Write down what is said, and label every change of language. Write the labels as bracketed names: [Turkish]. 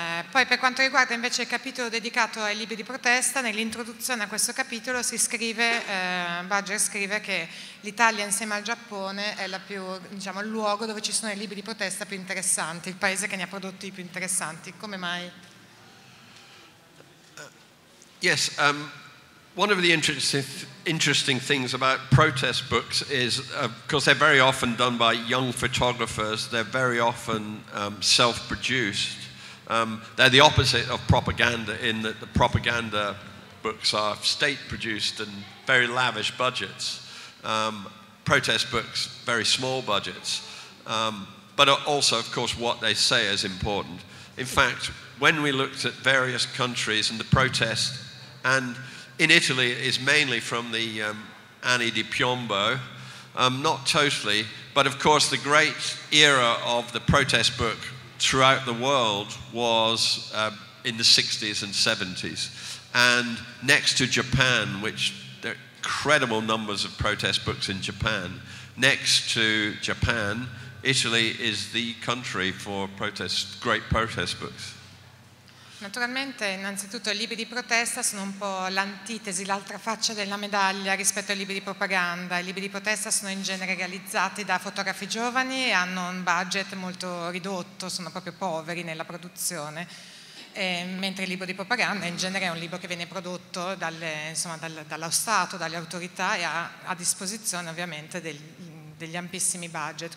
[Italian] Poi per quanto riguarda invece il capitolo dedicato ai libri di protesta, nell'introduzione a questo capitolo si scrive, Badger scrive che l'Italia insieme al Giappone è la più, diciamo, il luogo dove ci sono i libri di protesta più interessanti, il paese che ne ha prodotti i più interessanti. Come mai? [English] Yes. One of the interesting things about protest books is, because they're very often done by young photographers, they're very often self-produced. They're the opposite of propaganda in that the propaganda books are state-produced and very lavish budgets. Protest books, very small budgets. But also, of course, what they say is important. In fact, when we looked at various countries and the protest, and in Italy it is mainly from the Anni di Piombo, not totally, but of course the great era of the protest book throughout the world was in the 60s and 70s. And next to Japan, which there are incredible numbers of protest books in Japan, next to Japan, Italy is the country for protest, great protest books. [Italian] Naturalmente, innanzitutto, i libri di protesta sono un po' l'antitesi, l'altra faccia della medaglia rispetto ai libri di propaganda. I libri di protesta sono in genere realizzati da fotografi giovani e hanno un budget molto ridotto, sono proprio poveri nella produzione. Mentre il libro di propaganda in genere è un libro che viene prodotto dallo Stato, dalle autorità e ha a disposizione ovviamente degli ampissimi budget.